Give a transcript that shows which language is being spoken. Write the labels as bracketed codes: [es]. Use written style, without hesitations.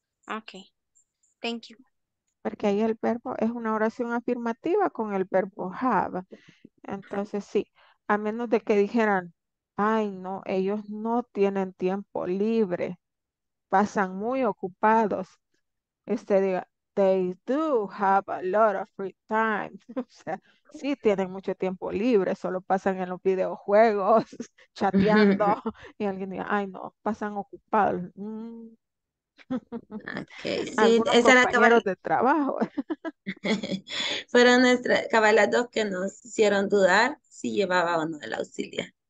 [en] Okay. Thank you. [es] Porque ahí el verbo es una oración afirmativa con el verbo have. Entonces, sí, a menos de que dijeran, ay, no, ellos no tienen tiempo libre, pasan muy ocupados. Usted diga, [en] they do have a lot of free time. [es] O sea, sí tienen mucho tiempo libre, solo pasan en los videojuegos, chateando. Y alguien diga, ay, no, pasan ocupados. Okay, sí, algunos esa era compañeros de trabajo. Fueron nuestras cabalas dos que nos hicieron dudar si llevaba o no el auxiliar.